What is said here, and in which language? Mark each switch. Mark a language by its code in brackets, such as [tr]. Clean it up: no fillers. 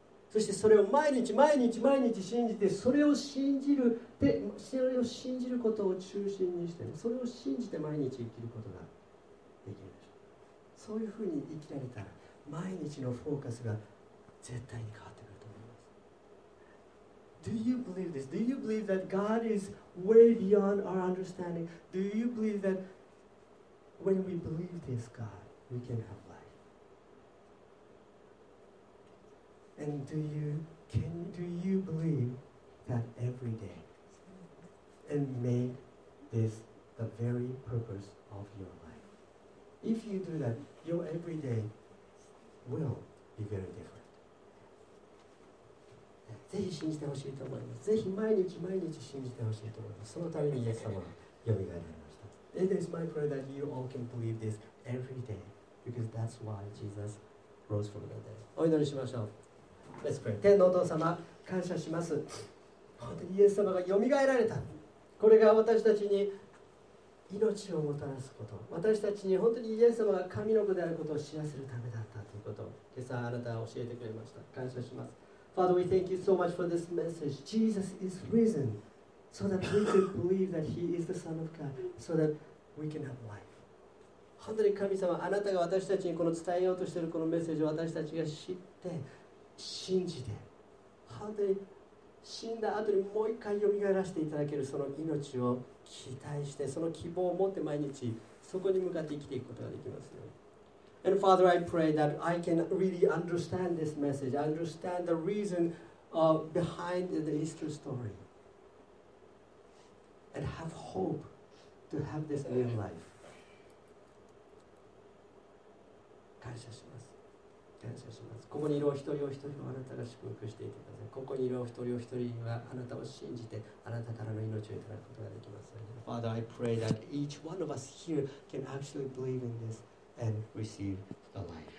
[ja] そしてそれを毎日信じて、それを信じることを中心にして、それを信じて毎日生きることができるでしょう。そういうふうに生きられたら毎日のフォーカスが絶対に変わってくると思います。 [en] Do you believe that God is way beyond our understanding? Do you believe that when we believe this God we can haveAnd do you believe that every day and make this the very purpose of your life? If you do that, your every day will be very different. [ja] ぜひ信じてほしいと思います。ぜひ毎日信じてほしいと思います。そのためにイエス様よみがえられました。 [en] It is my prayer that you all can believe this every day because that's why Jesus rose from the dead. [ja] お祈りしましょう。 [en] Let's pray. [ja] 天のお父様、感謝します。本当にイエス様がよみがえられた、これが私たちに命をもたらすこと、私たちに本当にイエス様が神の子であることを知らせるためだったということを今朝あなたは教えてくれました。感謝します。 [en] Father, we thank you so much for this message. Jesus is risen so that we could believe that he is the Son of God so that we can have life. [ja] 本当に神様、あなたが私たちにこの伝えようとしているこのメッセージを私たちが知って信じて、本当に死んだ後にもう一回蘇らせていただけるその命を期待して、その希望を持って毎日そこに向かって生きていくことができますよ。 [en] And Father, I pray that I can really understand this message, understand the reason of behind the Easter story, and have hope to have this new life. [ja] 感謝します。感謝します。ここにいるお一人お一人をあなたが祝福していてください。ここにいるお一人お一人はあなたを信じてあなたからの命をいただくことができます。 [en] Father, I pray that each one of us here can actually believe in this and receive the life.